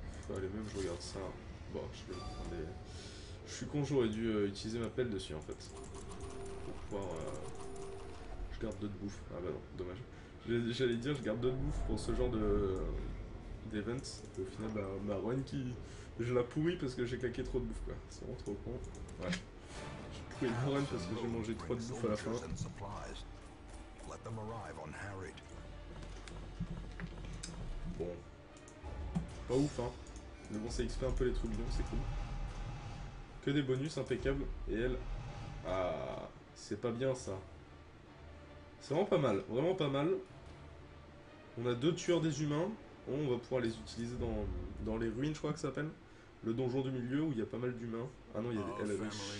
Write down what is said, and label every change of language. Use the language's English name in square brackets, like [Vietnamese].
[French] Allez, même je regarde ça. Bon, je vais prendre des... Je suis con, j'aurais dû utiliser ma pelle dessus en fait. Pour pouvoir. Je garde 2 de bouffe. Ah bah non, dommage. J'allais dire, je garde 2 de bouffe pour ce genre de. D'event. Et au final, bah, ma run qui. Je la pourris parce que j'ai claqué trop de bouffe, quoi. C'est vraiment trop con. Ouais. J'ai pourri ma run parce que j'ai mangé 3 de bouffe à la fin. [English] Let them arrive on Harrod. [French] Bon. Pas ouf, hein. Mais bon, ça XP un peu les trucs bien, c'est cool. Que des bonus impeccables. Et elle. Ah. C'est pas bien ça. C'est vraiment pas mal. Vraiment pas mal. On a 2 tueurs des humains. On va pouvoir les utiliser dans les ruines, je crois que ça s'appelle. Le donjon du milieu où il y a pas mal d'humains. Ah non, il y a des LRH.